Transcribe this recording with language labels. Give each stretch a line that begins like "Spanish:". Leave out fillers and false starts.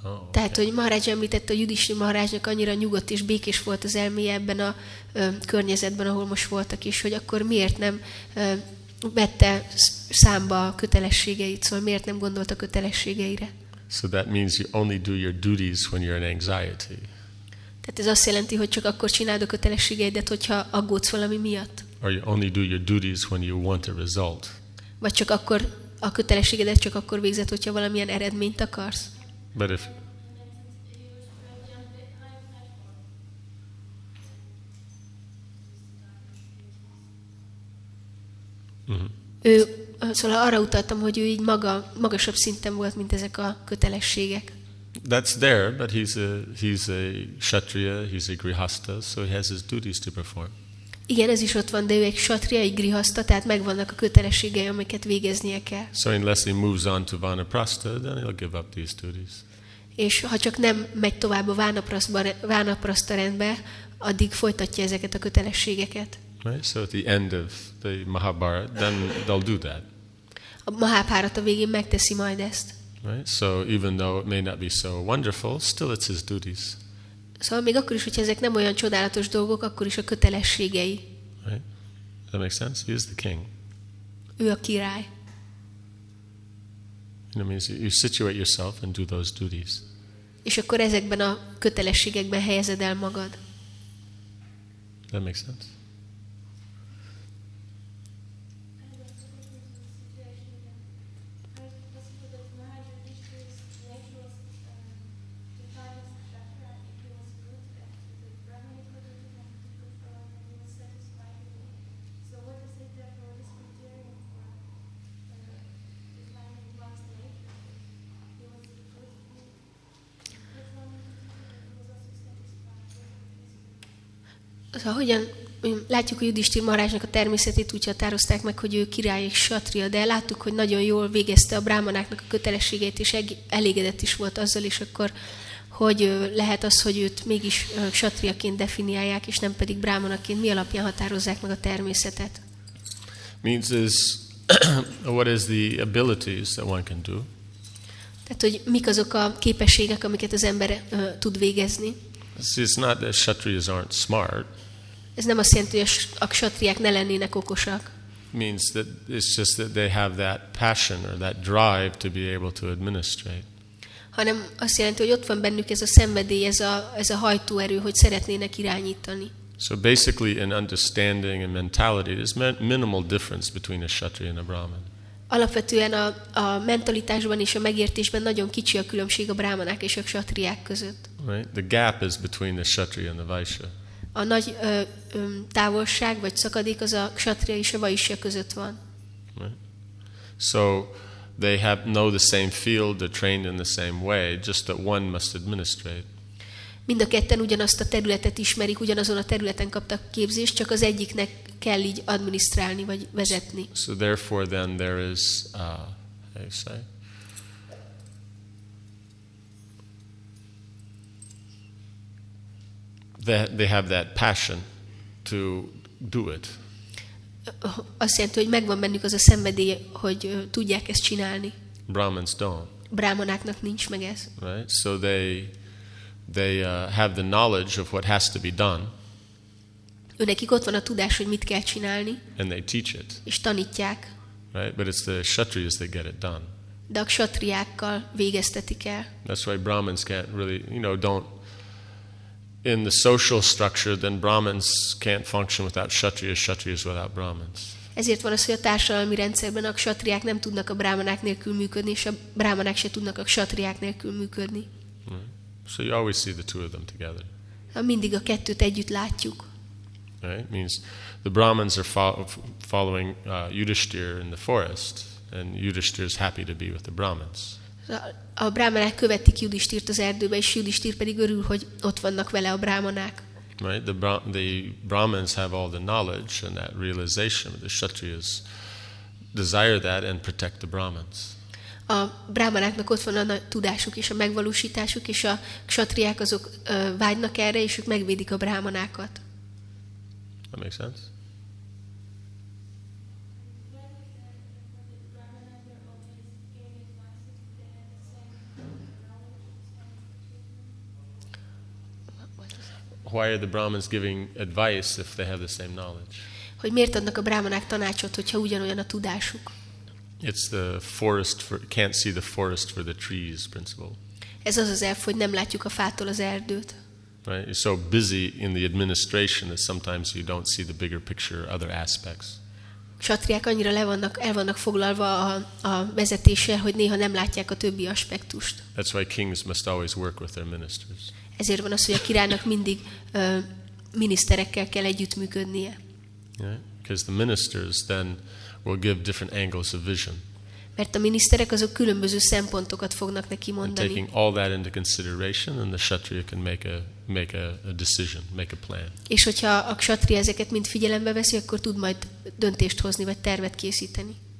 Hungarian: Tehát, hogy Maharaj említette, a Yudhishthira Maharajnak annyira nyugodt és békés volt az elméje ebben a környezetben, ahol most voltak is, hogy akkor miért nem vette számba a kötelességeit, szóval miért nem gondolt a kötelességeire.
English: So that means you only do your duties when you're in anxiety.
Hungarian: Tehát ez azt jelenti, hogy csak akkor csináld a kötelességeidet, hogyha aggódsz valami miatt.
English: Or you only do your duties when you want a result.
Hungarian: Vagy csak akkor a kötelességedet csak akkor végzed, hogyha valamilyen eredményt akarsz.
English: But if
Hungarian: Ő, szóval arra utaltam, hogy ő így magasabb szinten volt, mint ezek a kötelességek.
English: That's there, but he's a kshatriya, he's a grihastha, so he has his duties to perform.
Hungarian: Igen, ez is ott van, de ő egy kshatriya, egy grihastha, tehát megvannak a kötelességei, amiket végeznie kell.
English: So unless he moves on to vanaprastha, then he'll give up these duties.
Hungarian: És ha csak nem megy tovább a vanaprastha rendbe, addig folytatja ezeket a kötelességeket.
English: Right, so at the end of the Mahabharata, then they'll do that.
Hungarian: A Mahabharata végén megteszi majd ezt.
English: Right, so even though it may not be so wonderful, still it's his duties.
Hungarian: Szóval még akkor is, hogy ezek nem olyan csodálatos dolgok, akkor is a kötelességei.
English: Right, that makes sense. He is the king.
Hungarian: Ő a király.
English: You know, means you situate yourself and do those duties.
Hungarian: És akkor ezekben a kötelességekben helyezed el magad.
English: That makes sense.
Hungarian: Szóval hogyan látjuk a Yudhishthira Maharajnak a természetét, úgy határozták meg, hogy ő király és kshatriya, de láttuk, hogy nagyon jól végezte a brámanáknak a kötelességeit, és elégedett is volt azzal, és akkor hogy lehet az, hogy őt mégis kshatriyaként definiálják, és nem pedig brámanaként, mi alapján határozzák meg a természetet?
English: Means is, what is the abilities that one can do?
Hungarian: Tehát, hogy mik azok a képességek, amiket az ember tud végezni?
English: See, it's not that kshatriyas aren't smart.
Hungarian: Ez nem azt jelenti, hogy a kshatriyák ne lennének okosak.
English: Means that it's just that they have that passion or that drive to be able to administrate.
Hungarian: Hanem azt jelenti, hogy ott van bennük ez a szenvedély, ez a hajtóerő, hogy szeretnének irányítani.
English: So basically, in understanding and mentality, there's minimal difference between a kshatriya and a brahman.
Hungarian: Alapvetően a mentalitásban és a megértésben nagyon kicsi a különbség a brahmanák és a kshatriák között.
English: Right? The gap is between the kshatriya and the vaishya.
Hungarian: A nagy távolság vagy szakadék az a kshatriya és a vaishya között van.
English: Right? So they have know the same field, they're trained in the same way, just that one must administrate.
Hungarian: Mind a ketten ugyanazt a területet ismerik, ugyanazon a területen kaptak képzést, csak az egyiknek kell így adminisztrálni vagy vezetni.
English: So therefore then there is how you say? They have that passion to do it.
Hungarian: Azt jelenti, hogy megvan bennük az a szenvedély, hogy tudják ezt csinálni.
English: Brahmins don't.
Hungarian: Brahmanáknak nincs meg ez.
English: Right? So they have the knowledge of what has to be done.
Hungarian: Nekik ott van a tudás, hogy mit kell csinálni.
English: And they teach it.
Hungarian: És tanítják.
English: Right? But it's the kshatriyas that get it done.
Hungarian: De a kshatriákkal végeztetik el.
English: That's why Brahmins can't really, you know, don't. In the social structure, then Brahmins can't function without kshatriyas, kshatriyas without Brahmins.
Hungarian: Ezért van az, hogy a társadalmi rendszerben a kshatriák nem tudnak a brahmanák nélkül működni, és a brahmanák se tudnak a kshatriák nélkül működni.
English: So you always see the two of them together.
Hungarian: Mindig a kettőt együtt látjuk.
English: Right? Means the Brahmins are following Yudhishthira in the forest, and Yudhishthira is happy to be with the Brahmins.
Hungarian: A brahmanák követik Yudhishthirt az erdőbe, és Yudhishthir pedig örül, hogy ott vannak vele a brahmanák.
English: Right? The Brahmins have all the knowledge and that realization. The kshatriyas desire that and protect the Brahmins.
Hungarian: A brahmanáknak ott van a tudásuk és a megvalósításuk, és a kshatriák azok vágynak erre, és ők megvédik a brahmanákat.
English: That makes sense? Why are the Brahmins giving advice if they have the same knowledge?
Hungarian: Hogy miért adnak a brahmanák tanácsot, hogyha ugyanolyan a tudásuk?
English: It's the forest for can't see the forest for the trees principle.
Hungarian: Ez az az elf, hogy nem látjuk a fától az erdőt.
English: Right? You're so busy in the administration that sometimes you don't see the bigger picture, other aspects.
Hungarian: Kshatriák annyira el vannak foglalva a vezetéssel, hogy néha nem látják a többi aspektust.
English: That's why kings must always work with their ministers.
Hungarian: Ezért van az, hogy a királynak mindig miniszterekkel kell együttműködnie.
English: Because the ministers then will give different angles of vision.
Hungarian: Mert a miniszterek azok különböző szempontokat fognak neki mondani.
English: And taking all that into consideration, then the kshatriya can make a decision, make a plan.
Hungarian: És hogyha a kshatriya ezeket mind figyelembe veszi, akkor tud majd döntést hozni vagy tervet készíteni.